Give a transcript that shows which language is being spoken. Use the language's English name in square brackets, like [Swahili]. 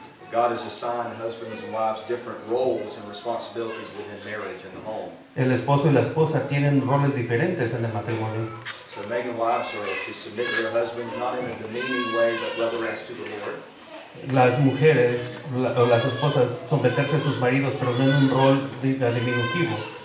[English] God has assigned husbands and wives different roles and responsibilities within marriage and the home. [Spanish] El esposo y la esposa tienen roles diferentes en el matrimonio. [English] So Megan wives are to submit to their husbands not in a demeaning way, but reverence to the Lord. [Spanish] Las mujeres o las esposas someterse a sus maridos, pero no en un rol diminutivo.